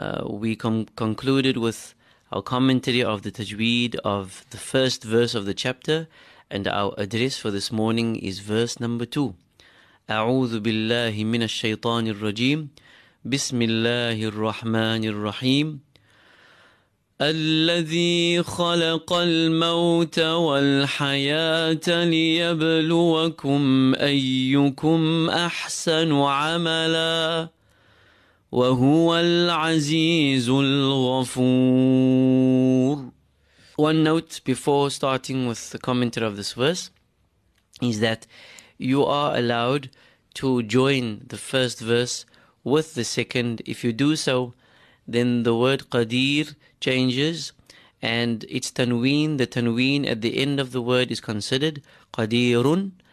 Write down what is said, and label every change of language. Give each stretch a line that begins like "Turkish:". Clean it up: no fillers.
English: We concluded with our commentary of the Tajweed of the first verse of the chapter, and our address for this morning is verse number 2.
Arabic: أعوذ بالله من الشيطان الرجيم بسم الله الرحمن الرحيم الذي خلق الموت والحياة ليبلوكم أيكم أحسن عملا وهو العزيز الغفور.
English: One note before starting with the commentary of this verse is that you are allowed to join the first verse with the second. If you do so, then the word Qadir changes and its tanween, the tanween at the end of the word, is considered Qadirun.